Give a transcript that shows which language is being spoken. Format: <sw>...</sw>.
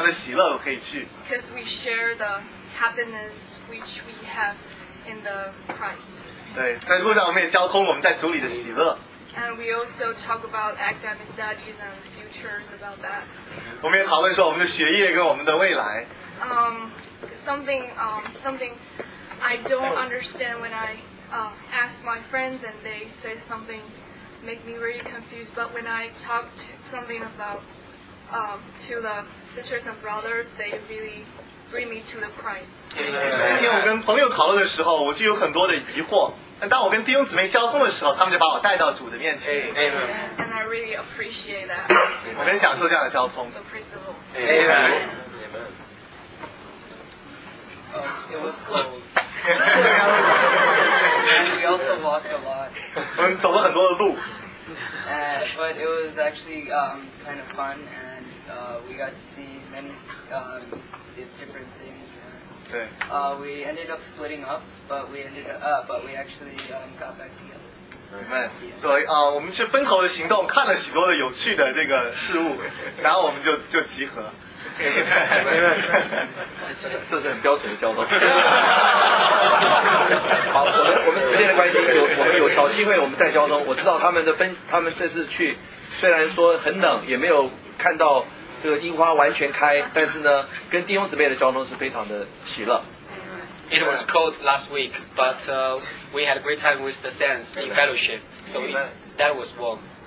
<en>Because we share the happiness which we have in the Christ.</en> <zh>对，在路上我们也交通我们在主里的喜乐。</zh> <en>And we also talk about academic studies and futures about that.</en> <zh>我们也讨论说我们的学业跟我们的未来。</zh> <en>Something I don't understand when I ask my friends and they say something make me really confused, but when I talk something about to the sisters and brothers, they really bring me to the Christ. Amen. Amen. And I really appreciate that. Amen. So praise the Lord. Amen. Amen. It was cold. And we also walked a lot. But it was actually kind of fun, and we got to see many different things. We ended up splitting up, but we ended up, but we actually got back together.</en> <zh>对，所以我们是分头的行动，看了许多的有趣的这个事物，然后我们就集合。因为这是很标准的交通。好，我们时间的关系，我们有找机会我们再交通。我知道他们这次去虽然说很冷，也没有看到这个樱花完全开，但是呢，跟弟兄姊妹的交通是非常的喜乐。</zh> <en>It was cold last week, but we had a great time with the saints in fellowship, so that was warm.</en>